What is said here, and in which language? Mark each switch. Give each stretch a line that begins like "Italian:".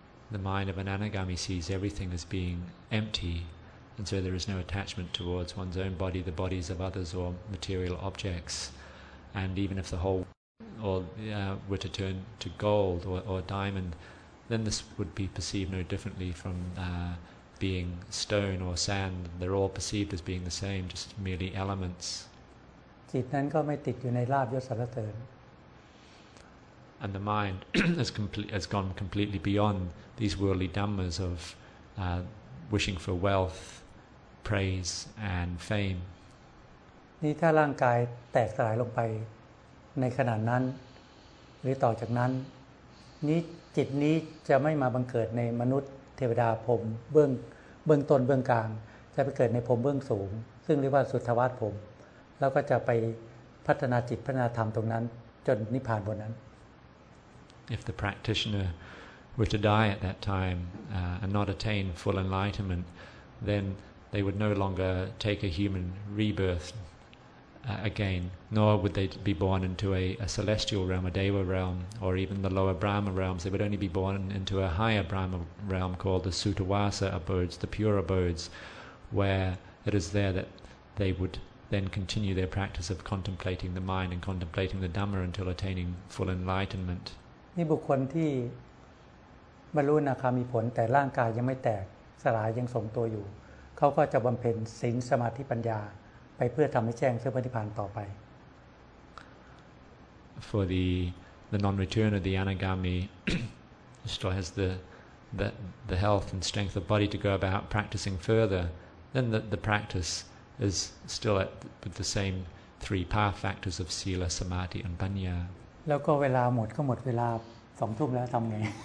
English: The mind of an anagami sees everything as being empty and so there is no attachment towards one's own body the bodies of others or material objects and even if the whole were to turn to gold or diamond then this would be perceived no differently from being stone or sand they're all perceived as being the same just merely elements
Thai: จิตนั้นก็ไม่ติดอยู่ในลาภยศสรรเสริญ
English: and the mind has gone completely beyond these worldly dhammas of wishing for wealth praise and fame
Thai: นี่ถ้าร่างกายแตกสลายลงไปในขณะนั้นหรือต่อจากนั้นนี้จิตนี้จะไม่มาบังเกิดในมนุษย์เทวดาพรหมเบื้องต้นเบื้องกลางจะไปเกิดในพรหมเบื้องสูงซึ่งเรียกว่าสุทธวาสพรหมแล้วก็จะไปพัฒนาจิตพัฒนาธรรมตรงนั้นจนนิพพานบนนั้น
English: If the practitioner were to die at that time and not attain full enlightenment then they would no longer take a human rebirth again nor would they be born into a celestial realm a deva realm or even the lower brahma realms they would only be born into a higher brahma realm called the sutavasa abodes the pure abodes where it is there that they wouldthen continue their practice of contemplating the mind and contemplating the Dhamma until attaining full enlightenment.
Thai: นี่บุคคลที่บรรลุอนาคามีผลแต่ร่างกายยังไม่แตกสลายยังทรงตัวอยู่เขาก็จะบำเพ็ญศีลสมาธิปัญญาไปเพื่อทำให้แจ้งซึ่งพระนิพพานต่อไป
English: For the non-return of the anagami still has the health and strength of body to go about practicing further then the practiceis still at with the same three power factors of sila samadhi and panya
Thai: แล้วก็เวลาหมดก็หมดเวลา 2:00 นแล้วทำไง